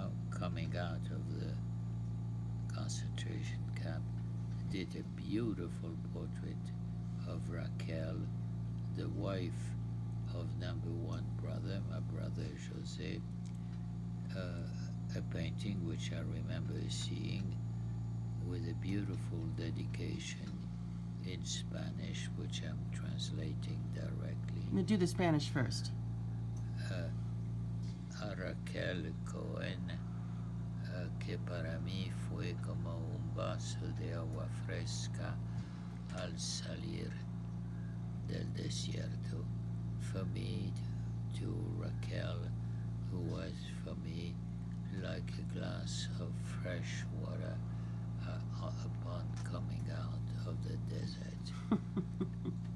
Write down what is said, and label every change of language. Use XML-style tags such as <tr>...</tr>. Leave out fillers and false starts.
<en>coming out of the concentration camp, did a beautiful portrait of Raquel, the wife of number one mother, José, a painting which I remember seeing with a beautiful dedication in Spanish, which I'm translating directly. Let me do the Spanish first.</en> <es>A Raquel Cohen, que para mí fue como un vaso de agua fresca al salir del desierto.</es> <en>For me, to Raquel, who was for me like a glass of fresh water upon coming out of the desert.</en>